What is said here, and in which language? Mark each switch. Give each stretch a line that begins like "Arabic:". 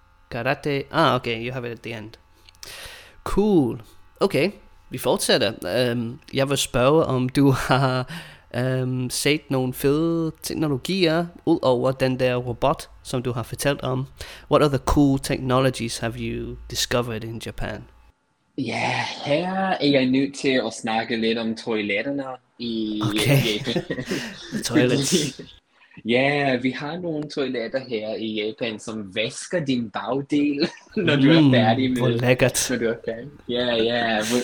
English: Karate. Ah, okay, you have it at the end.
Danish: Cool. Okay, vi fortsætter. Jeg vil spørge, om du har set nogle fede teknologier ud over den der robot, som du har fortalt om.
English: What other cool technologies have you discovered in Japan?
Danish: Ja, her er jeg nødt til at snakke lidt om toiletterne i Japan.
English: Toilets.
Danish: Ja, yeah, vi har nogle toiletter her i Japan, som vasker din bagdel, når du er færdig med. Hvor lækkert. Ja, ja.